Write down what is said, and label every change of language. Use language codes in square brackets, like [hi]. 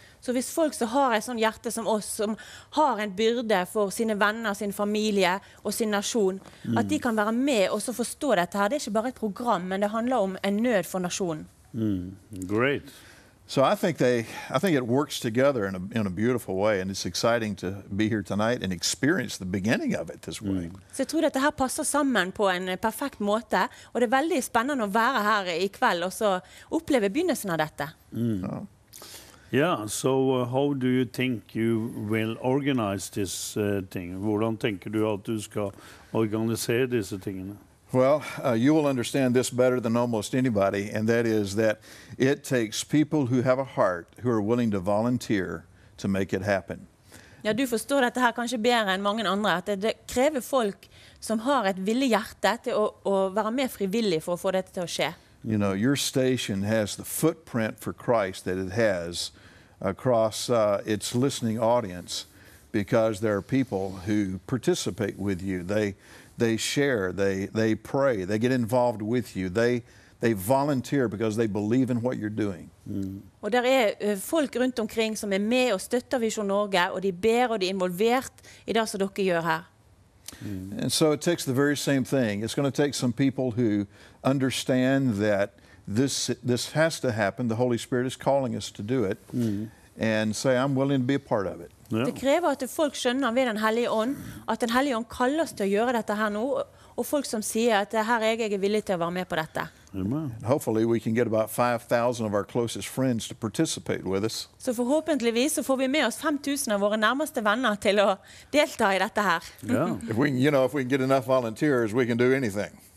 [no] Så hvis folk så har et sånt hjerte som oss, som har en byrde for sine venner, sin familie og sin nasjon, at de kan være med og så forstå dette her. Det er ikke bare et program, men det handler om en nød for nasjonen. [en] Great. So I think it works together in a beautiful way, and it's exciting to be here tonight and experience the beginning of it this way. [no] Så jeg tror dette her passer sammen på en perfekt måte, og det er veldig spennende å være her i kveld og så oppleve begynnelsen av dette. [en] Yeah, so how do you think you will organize this thing? [no] Hvordan tenker du at du skal organisere disse tingene? [en] Well, you will understand this better than almost anybody, and that is that it takes people who have a heart, who are willing to volunteer to make it happen. [no] Ja, du forstår dette her kanskje bedre enn mange andre, at det krever folk som har et villig hjerte til å være mer frivillig for å få dette til å skje. [en] You know, your station has the footprint for Christ that it has across its listening audience, because there are people who participate with you. They share, they pray, they get involved with you. They volunteer because they believe in what you're doing. [no] Og der er folk rundt omkring som er med og støtter Visjon Norge, og de ber og de er involvert i det som dere gjør her. [en] And so it takes the very same thing. It's going to take some people who understand that this has to happen. The Holy Spirit is calling us to do it, and say, I'm willing to be a part of it. Yeah. [no] Det krever at folk skjønner ved den hellige ånd, at den hellige ånd kaller oss til å gjøre dette her nå, og folk som sier at her jeg er villig til å være med på dette. [en] Amen. Hopefully we can get about 5,000 of our closest friends to participate with us. [no] Så förhoppningsvis så får vi med oss 5,000 av våra närmaste vänner till att delta I detta här. [en] If we, you know, if we can get enough volunteers, we can do anything.